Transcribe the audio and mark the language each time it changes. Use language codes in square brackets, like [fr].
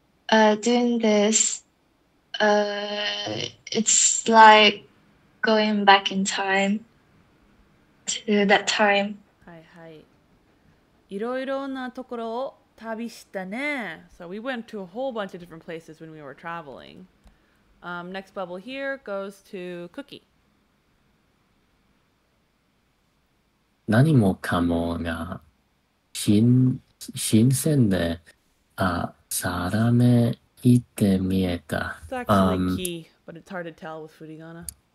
[en] Doing this, it's like,Going back in time to that time. はいはい。 [ja] いろいろなところを旅したね。 [en] So we went to a whole bunch of different places when we were traveling. Next bubble here goes to Cookie. [ja] 何もかもが新鮮で、さらめいて見えた。 [en] It's actually key, but it's hard to tell with Furigana.